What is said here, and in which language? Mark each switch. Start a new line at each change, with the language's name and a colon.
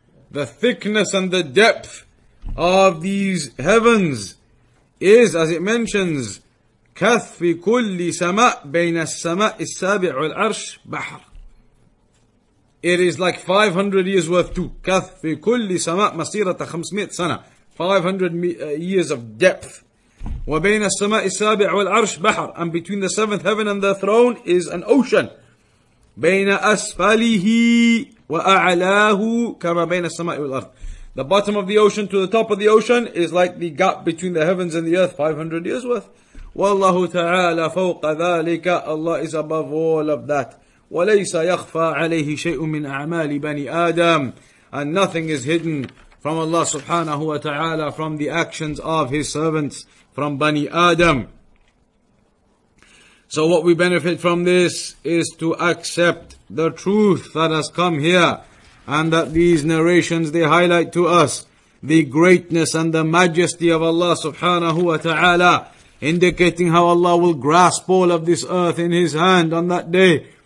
English: The thickness and the depth of these heavens is, as it mentions,
Arabic: كث في كل سماء بين السماء السابع والعرش بحر.
English: It is like 500 years worth too.
Arabic: كث في كل سماء مسيرة 500 سنة.
English: 500 years of depth.
Arabic: وبين السماء السابع والعرش بحر.
English: And between the seventh heaven and the throne is an ocean.
Arabic: بين أسفله وأعلاه كما بين السماء والأرض.
English: The bottom of the ocean to the top of the ocean is like the gap between the heavens and the earth, 500 years worth.
Arabic: والله تعالى فوق ذلك.
English: Allah is above all of that.
Arabic: وليس يخفى عليه شيء من أعمال بني آدم.
English: And nothing is hidden from Allah سبحانه وتعالى from the actions of His servants from بني آدم. So what we benefit from this is to accept the truth that has come here and that these narrations, they highlight to us the greatness and the majesty of Allah subhanahu wa ta'ala, indicating how Allah will grasp all of this earth in His hand on that day.